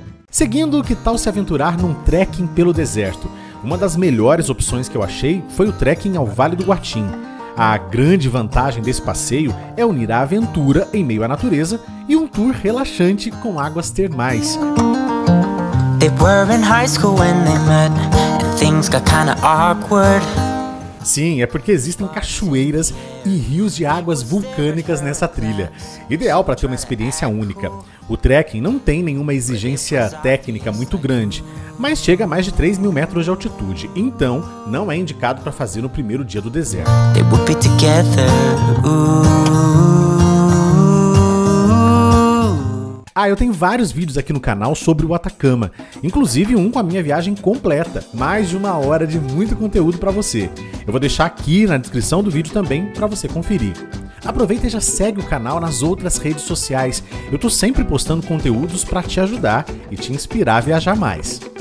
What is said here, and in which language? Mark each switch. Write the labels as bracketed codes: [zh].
[pt] Seguindo, que tal se aventurar num trekking pelo deserto? Uma das melhores opções que eu achei foi o trekking ao Vale do Guatim. A grande vantagem desse passeio é unir a aventura em meio à natureza e um tour relaxante com águas termais. [en] They were in high school when they met, and things got kinda awkward. [pt] Sim, é porque existem cachoeiras e rios de águas vulcânicas nessa trilha. Ideal para ter uma experiência única. O trekking não tem nenhuma exigência técnica muito grande, mas chega a mais de 3 mil metros de altitude. Então, não é indicado para fazer no primeiro dia do deserto. [en] They would be together, ooh. [pt] Ah, eu tenho vários vídeos aqui no canal sobre o Atacama. Inclusive um com a minha viagem completa. Mais de uma hora de muito conteúdo para você. Eu vou deixar aqui na descrição do vídeo também para você conferir. Aproveita e já segue o canal nas outras redes sociais. Eu tô sempre postando conteúdos para te ajudar e te inspirar a viajar mais.